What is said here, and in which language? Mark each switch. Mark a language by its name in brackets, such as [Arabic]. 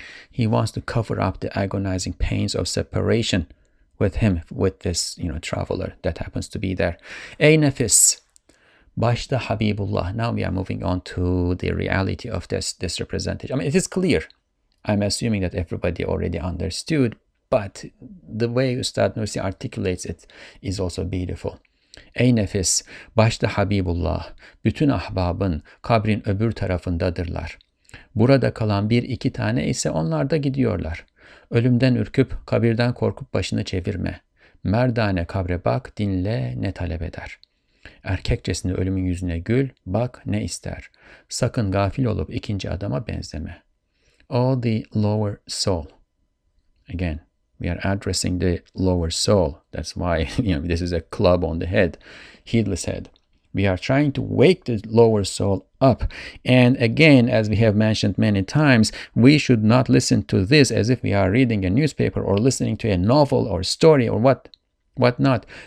[English] He wants to cover up the agonizing pains of separation with him, with this, traveler that happens to be there. [Turkish] Ey nefis, başta Habibullah. [English] Now we are moving on to the reality of this representation. I mean, it is clear. I'm assuming that everybody already understood, but the way Ustad Nursi articulates it is also beautiful. [Turkish] Ey nefis, başta Habibullah, bütün ahbabın kabrin öbür tarafındadırlar. Burada kalan bir iki tane ise onlar da gidiyorlar. Ölümden ürküp, kabirden korkup başını çevirme. Merdane kabre bak, dinle ne talep eder. Erkekçesine ölümün yüzüne gül, bak ne ister. Sakın gafil olup ikinci adama benzeme. [English] All the lower soul. Again, we are addressing the lower soul. That's why, this is a club on the head, heedless head. We are trying to wake the lower soul up. And again, as we have mentioned many times, we should not listen to this as if we are reading a newspaper or listening to a novel or story or whatnot.